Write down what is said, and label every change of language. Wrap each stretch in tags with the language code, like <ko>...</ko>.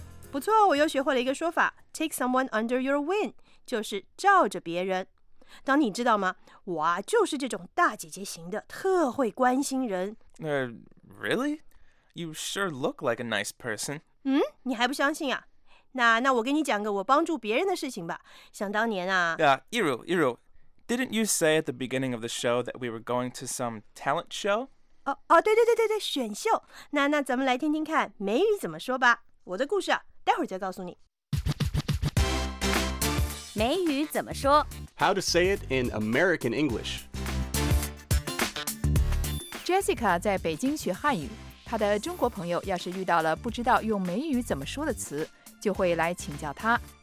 <zh>不错，我又学会了一个说法</zh> <en>take someone under your wing，</en> <zh>就是罩着别人。当你知道吗，我啊就是这种大姐姐型的，特会关心人。</zh> <en>Really? You sure look like a nice person.</en> <zh>嗯，你还不相信啊？那我给你讲个我帮助别人的事情吧。想当年啊。</zh> <en>Yiru, didn't you say at the beginning of the show that we were going to some talent show?</en> <zh>对，选秀。那咱们来听听看美语怎么说吧。我的故事啊待会儿再告诉你。美语怎么说？</zh> <en>How to say it in American English.</en> <zh>Jessica 在北京学汉语，她的中国朋友要是遇到了不知道用美语怎么说的词，就会来请教她。</zh>